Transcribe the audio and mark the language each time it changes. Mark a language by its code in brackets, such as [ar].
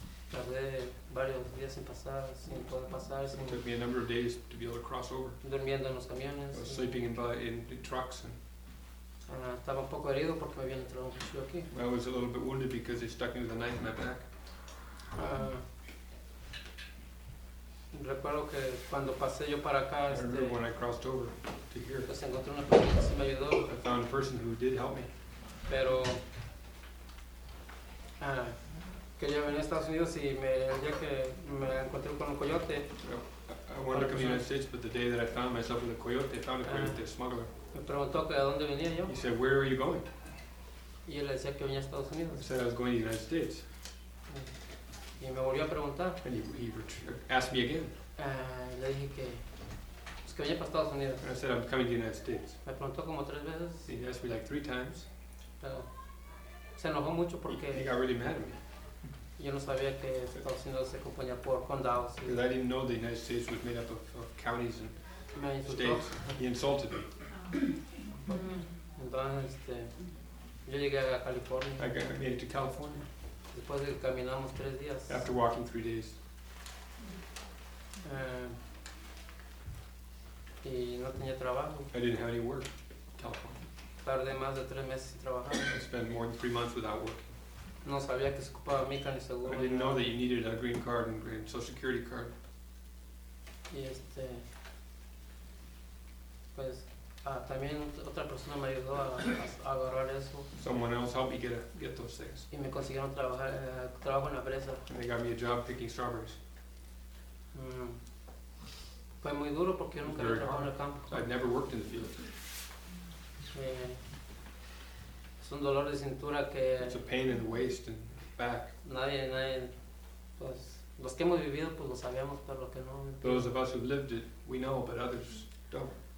[es] Tardé varios días sin pasar, sin poder pasar. [en] It took me a number of days to be able to cross over. [es] Durmiendo en los camiones. [en] I was sleeping in the trucks. And [es] estaba un poco herido porque me habían entrado un cuchillo aquí. [en] I was a little bit wounded because they stuck me with a knife in my back. [es] Recuerdo que cuando pasé yo para acá, [en] I remember when I crossed over to here. [es] Pues encontré una persona que sí me ayudó. [en] I found a person who did help me. [es] Pero quería venir a Estados Unidos y el día que me encontré con un coyote. [en] I wanted to come to the United States, but the day that I found myself with a coyote, I found a coyote, a smuggler. [es] Me preguntó que a dónde venía yo. [en] He said, where are you going? [es] Y él decía que venía a Estados Unidos. [en] I said, I was going to the United States. [es] Y me volvió a preguntar. [en] And he asked me again. [es] Le dije que es que venía para Estados Unidos. [en] And I said, I'm coming to the United States. [es] Me preguntó como 3 veces. [en] He asked me like 3 times. [es] Pero se enojó mucho porque [en] he got really mad at me. [es] Yo no sabía que Estados Unidos se componía por condados. [en] Because I didn't know the United States was made up of counties and states. He insulted me. [es] Entonces, yo llegué a California. [en] I made it to California. [es] Después de que caminamos 3 días. [en] After walking 3 days. [es] Y no tenía trabajo. [en] I didn't have any work in California. [es] Tardé más de 3 meses trabajando. [en] I spent more than 3 months without work. [es] No sabía que se ocupaba Mica ni seguro. [en] I didn't know that you needed a green card and green social security card. [es] Y pues, también otra persona me ayudó a agarrar eso. [en] Someone else helped me get those things. [es] Y me consiguieron trabajo en la empresa. [en] And they got me a job picking strawberries. [es] Fue muy duro porque yo nunca había trabajado en el campo. [en] I've never worked in the field. [es] Es un dolor de cintura que [en] it's a pain in the waist and back. [es] Nadie, pues, los que hemos vivido, pues, lo sabíamos, pero los que no. [en] Those of us who've lived it, we know, but others don't.